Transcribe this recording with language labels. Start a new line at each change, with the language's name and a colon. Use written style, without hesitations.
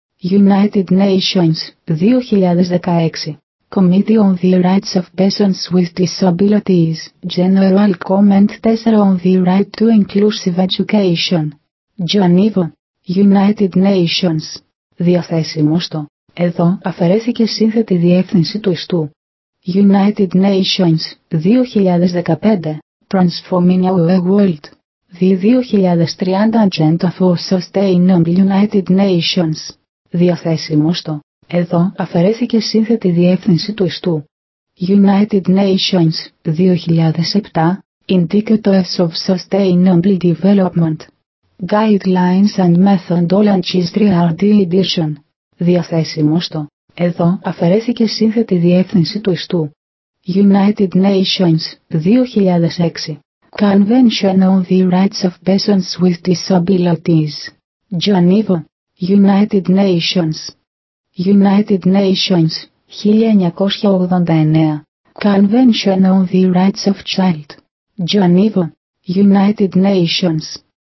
English: United Nations, 2016, Committee on the Rights of Persons with Disabilities, General Comment 4 on the Right to Inclusive Education. Geneva, United Nations.
Greek: Διαθέσιμο στο, εδώ αφαιρέθηκε σύνθετη διεύθυνση του ιστού.
English: United Nations, 2015. Transforming our world. The 2030 Agenda for Sustainable United Nations.
Greek: Διαθέσιμο στο. Εδώ αφαιρέθηκε σύνθετη διεύθυνση του ιστού.
English: United Nations, 2007. Indicators of Sustainable Development. Guidelines and Methodologies 3rd Edition.
Greek: Διαθέσιμο στο. Εδώ αφαιρέθηκε σύνθετη διεύθυνση του ιστού.
English: United Nations, 2006. Convention on the Rights of Persons with Disabilities. Geneva, United Nations. United Nations, 1989. Convention on the Rights of Child. Geneva, United Nations.